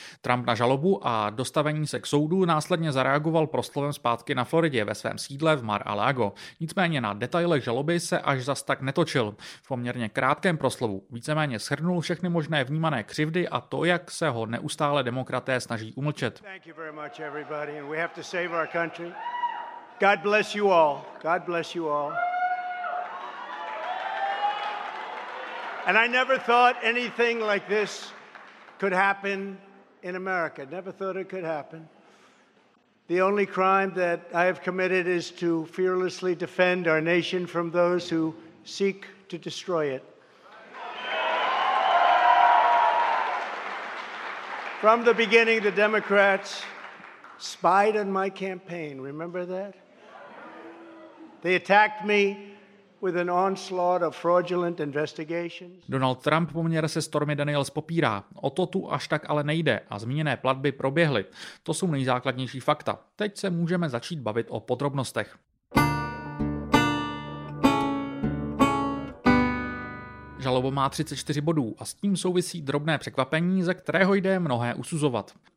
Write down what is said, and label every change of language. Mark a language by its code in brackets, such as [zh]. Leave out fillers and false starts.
[cs] Trump na žalobu a dostavení se k soudu následně zareagoval proslovem zpátky na Floridě ve svém sídle v Mar-a-Lago. Nicméně na detailech žaloby se až zas tak netočil. V poměrně krátkém proslovu víceméně shrnul všechny možné vnímané křivdy a to, jak se ho neustále demokraté snaží umlčet. [en] Thank you very much everybody and we have to save our country. God bless you all. God bless you all. And I never thought anything like this could happen in America. Never thought it could happen. The only crime that I have committed is to fearlessly defend our nation from those who seek to destroy it. From the beginning, the Democrats spied on my campaign. Remember that? They attacked me with an onslaught of fraudulent investigations. [cs] Donald Trump poměr se Stormy Daniels popírá. O to tu až tak ale nejde a zmíněné platby proběhly. To jsou nejzákladnější fakta. Teď se můžeme začít bavit o podrobnostech. Žaloba má 34 bodů a s tím souvisí drobné překvapení, ze kterého jde mnohé usuzovat.